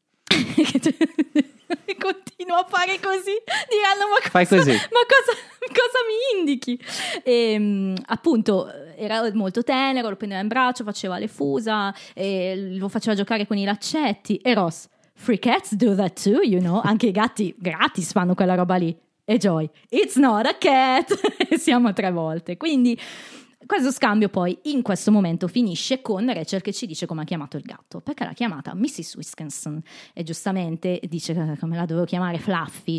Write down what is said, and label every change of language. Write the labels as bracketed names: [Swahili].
[Italian] Continuo a fare così, diranno, ma cosa, fai così. Ma cosa mi indichi? E, appunto, era molto tenero, lo prendeva in braccio, faceva le fusa, e lo faceva giocare con i laccetti. [English] E Ross, free cats do that too, you know? [Italian] Anche i gatti gratis fanno quella roba lì. E Joy, [English] it's not a cat! [Italian] Siamo a tre volte. Quindi, questo scambio poi, in questo momento, finisce con Rachel che ci dice come ha chiamato il gatto. Perché l'ha chiamata Mrs. Wiskinson. E giustamente dice, come la dovevo chiamare, Fluffy?